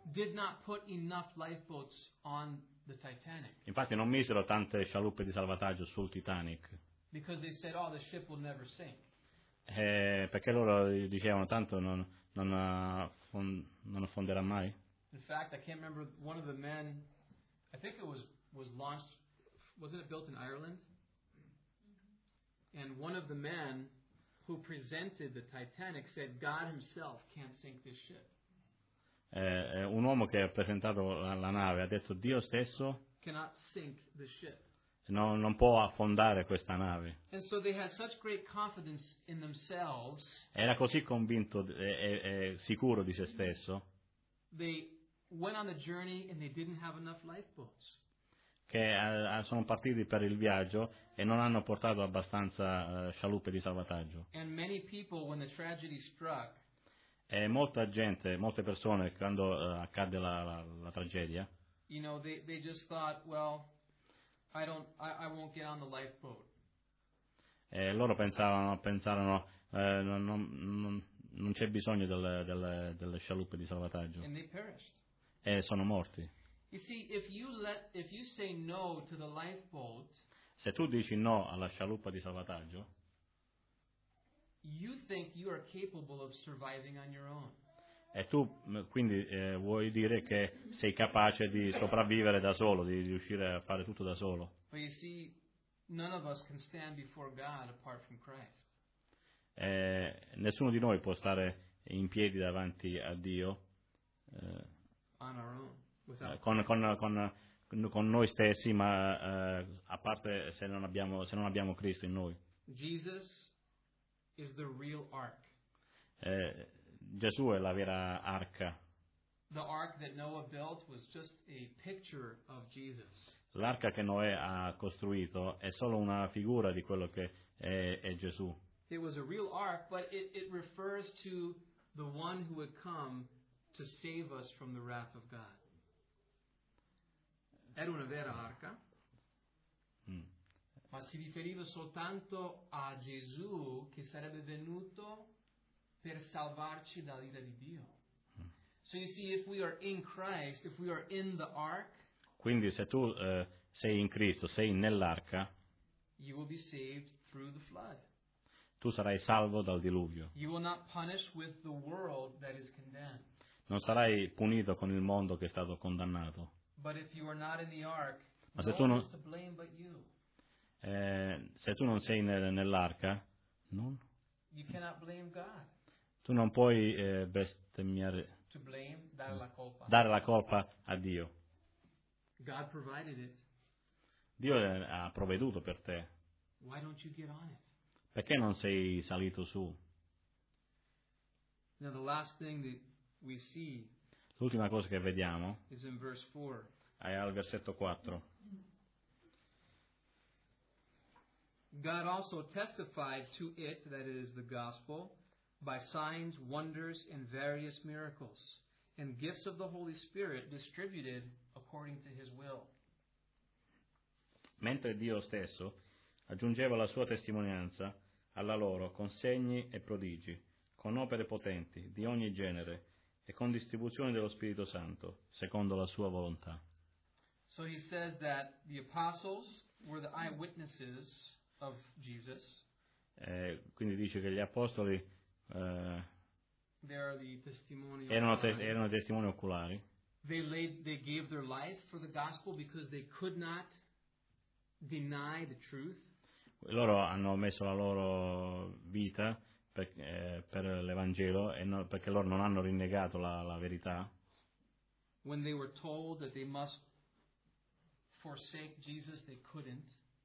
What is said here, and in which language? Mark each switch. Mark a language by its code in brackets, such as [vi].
[en] did not put enough lifeboats on the Titanic. [it] Infatti non misero tante scialuppe di salvataggio sul Titanic. [en] Because they said, oh, the ship will never sink. [it] Perché loro dicevano tanto non affonderà mai. [en] In fact, I can't remember one of the men. I think it was launched. Wasn't it built in Ireland? And one of the men who presented the Titanic said, God himself can't sink this ship. [it] Un uomo che ha presentato la nave ha detto, Dio stesso [en] cannot sink the ship. [it] Non può affondare questa nave. [en] And so they had such great confidence in themselves. [it] Era così convinto e sicuro di se stesso. [en] They went on the journey and they didn't have enough lifeboats. [it] Che sono partiti per il viaggio e non hanno portato abbastanza scialuppe di salvataggio. [en] And many people, when the tragedy struck, [it] e molta gente, molte persone, quando accadde la tragedia, [en] you know, they just thought, well, I won't get on the lifeboat. [it] E loro pensarono non c'è bisogno delle scialuppe di salvataggio. [en] And they perished. [it] E sono morti. [en] You see, if you say no to the lifeboat, [it] se tu dici no alla scialuppa di salvataggio, [en] you think you are capable of surviving on your own. [it] E tu quindi vuoi dire che sei capace di sopravvivere da solo, di riuscire a fare tutto da solo. [en] But you see, none of us can stand before God apart from Christ. [it] Nessuno di noi può stare in piedi davanti a Dio [en] on our own. [it] Con noi stessi, ma a parte se non abbiamo Cristo in noi. [en] Jesus is the real ark. [it] Gesù è la vera arca. [en] The ark that Noah built was just a picture of Jesus. [it] L'arca che Noè ha costruito è solo una figura di quello che è Gesù. [en] It was a real ark, but it refers to the one who would come to save us from the wrath of God. [it] Era una vera arca, ma si riferiva soltanto a Gesù che sarebbe venuto per salvarci dall'ira di Dio. [en] So you see, if we are in Christ, if we are in the ark, [it] quindi se tu sei in Cristo, sei nell'arca, [en] you will be saved through the flood. [it] Tu sarai salvo dal diluvio. [en] You will not punish with the world that is condemned. [it] Non sarai punito con il mondo che è stato condannato. [en] But if you are not in the ark, [it] ma se tu non, [en] to blame but you. [it] Se tu non sei nell'arca, non, [en] you cannot blame God. [it] Tu non puoi bestemmiare, [en] to blame, [it] dare la colpa a Dio. [en] God provided it. [it] Dio ha provveduto per te. [en] Why don't you get on it? [it] Perché non sei salito su? [en] Now the last thing that we see, [it] l'ultima cosa che vediamo [en] is in verse 4. [it] È al versetto 4. [en] God also testified to it, that is the gospel, by signs, wonders, and various miracles, and gifts of the Holy Spirit distributed according to his will. [it] mentre Dio stesso aggiungeva la sua testimonianza alla loro con segni e prodigi, con opere potenti di ogni genere e con distribuzione dello Spirito Santo, secondo la sua volontà. [en] So he says that the apostles were the eyewitnesses of Jesus. [it] Quindi dice che gli apostoli erano testimoni oculari. [en] They gave their life for the gospel because they could not deny the truth. [it] Loro hanno messo la loro vita per l'Evangelo perché loro non hanno rinnegato la verità. [en] When they were told that they must forsake Jesus, they couldn't.